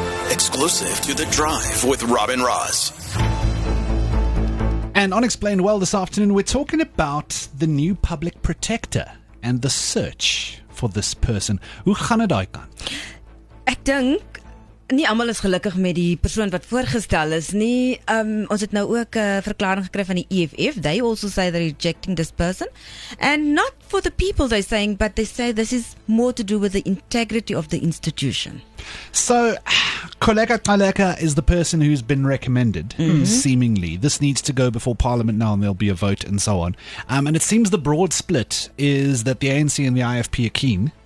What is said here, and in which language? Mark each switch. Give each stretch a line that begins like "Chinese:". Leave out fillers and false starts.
English: Exclusive to The Drive with Robin Ross. And on Explained Well this afternoon, we're talking about the new public protector and the search for this person.
Afrikaans: Hoe gaan dit daai kant? Ek dink nie almal is gelukkig met die persoon wat voorgestel is nie. Ons het nou ook 'n verklaring gekry van die EFF.
English: They also say they're rejecting this person. And not for the people they're saying, but they say this is more to do with the integrity of the institution. So, Koleka Taleka is the person who's been recommended, seemingly. This needs to go before Parliament now and there'll be a vote and so on. And it seems the broad split is that the ANC and the IFP are keen.